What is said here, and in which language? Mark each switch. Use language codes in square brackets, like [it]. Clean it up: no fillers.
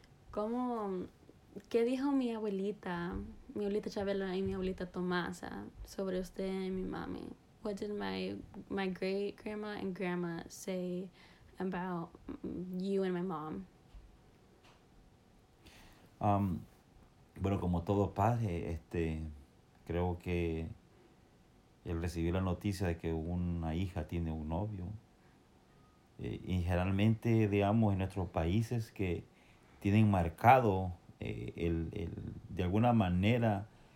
[es] ¿Cómo qué dijo mi abuelita Chabela y mi abuelita Tomasa sobre usted y mi mami? [en] What did my great grandma and grandma say about you and my mom? [es] Bueno, como todo padre, creo que el recibir la noticia de que una hija tiene un novio, y generalmente, digamos, en nuestros países que tienen marcado de alguna manera